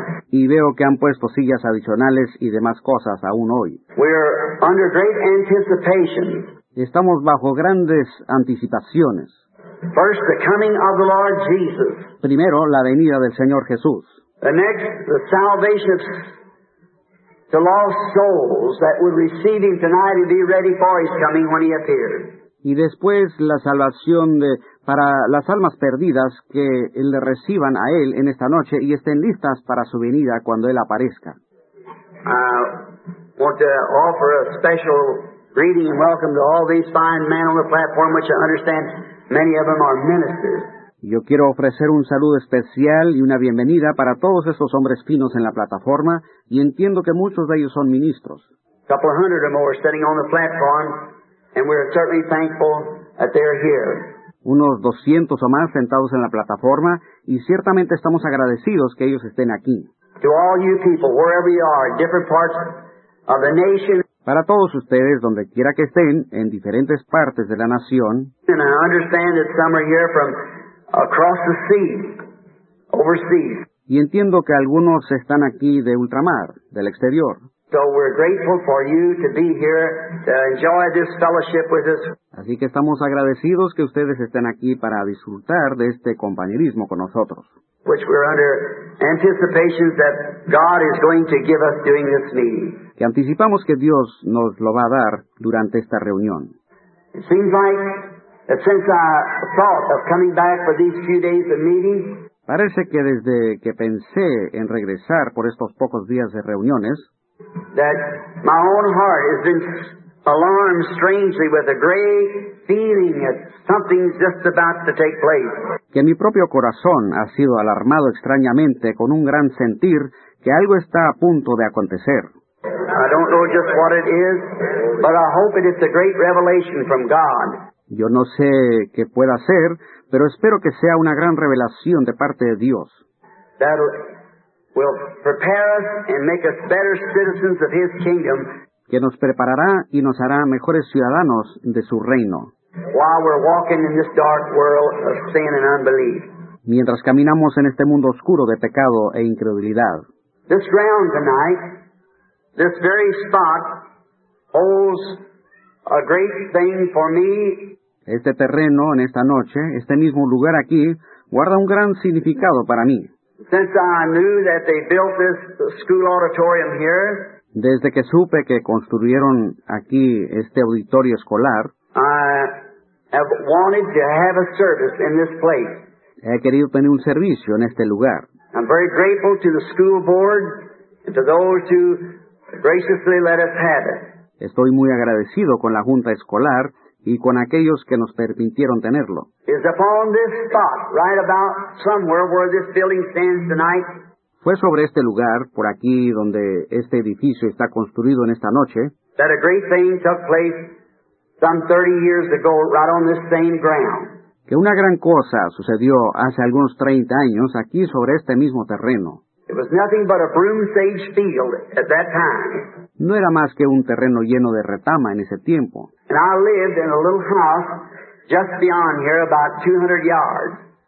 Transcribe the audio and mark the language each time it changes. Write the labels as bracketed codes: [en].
[es] Y veo que han puesto sillas adicionales y demás cosas aún hoy. [en] We're under great anticipation. [es] Estamos bajo grandes anticipaciones. [en] First, the coming of the Lord Jesus. [es] Primero, la venida del Señor Jesús. [en] The next, the salvation of the lost souls that will receive Him tonight and be ready for His coming when He appears. [es] Y después la salvación de, para las almas perdidas que le reciban a Él en esta noche y estén listas para su venida cuando Él aparezca. [en] I want to offer a special greeting and welcome to all these fine men on the platform, which I understand many of them are ministers. [es] Yo quiero ofrecer un saludo especial y una bienvenida para todos estos hombres finos en la plataforma, y entiendo que muchos de ellos son ministros. [en] A couple hundred or more sitting on the platform, and we're certainly thankful that they're here. [es] Unos 200 o más sentados en la plataforma, y ciertamente estamos agradecidos que ellos estén aquí. [en] To all you people, wherever you are, different parts of the nation. [es] Para todos ustedes, donde quiera que estén, en diferentes partes de la nación. [en] And I understand that some are here from across the sea, overseas. [es] Y entiendo que algunos están aquí de ultramar, del exterior. [en] So we're grateful for you to be here to enjoy this fellowship with us. [es] Así que estamos agradecidos que ustedes estén aquí para disfrutar de este compañerismo con nosotros. [en] Which we're under anticipations that God is going to give us during this meeting. [es] Que anticipamos que Dios nos lo va a dar durante esta reunión. [en] It seems like that since I thought of coming back for these few days of meeting. [es] Parece que desde que pensé en regresar por estos pocos días de reuniones. [en] That my own heart has been alarmed strangely with a great feeling that something's just about to take place. [es] Que mi propio corazón ha sido alarmado extrañamente con un gran sentir que algo está a punto de acontecer. [en] I don't know just what it is, but I hope it is a great revelation from God. [es] Yo no sé qué pueda ser, pero espero que sea una gran revelación de parte de Dios. [en] That will prepare us and make us better citizens of His kingdom. [es] Que nos preparará y nos hará mejores ciudadanos de su reino. [en] While we're walking in this dark world of sin and unbelief. [es] Mientras caminamos en este mundo oscuro de pecado e incredulidad. [en] This ground tonight, this very spot, holds a great thing for me. [es] Este terreno en esta noche, este mismo lugar aquí, guarda un gran significado para mí. [en] Since I knew that they built this school auditorium here, [es] desde que supe que construyeron aquí este auditorio escolar, [en] I have wanted to have a service in this place. [es] He querido tener un servicio en este lugar. [en] I'm very grateful to the school board and to those who graciously let us have it. [es] Estoy muy agradecido con la junta escolar y con aquellos que nos permitieron tenerlo. [en] Is upon this spot, right about somewhere where this building stands tonight. [es] Fue sobre este lugar, por aquí donde este edificio está construido en esta noche, [en] that a great thing took place some 30 years ago, right on this same ground. [es] Que una gran cosa sucedió hace algunos 30 años aquí sobre este mismo terreno. [en] It was nothing but a broom sage field at that time. [es] No era más que un terreno lleno de retama en ese tiempo. [en] And I lived in a little house just beyond here, about 200 yards.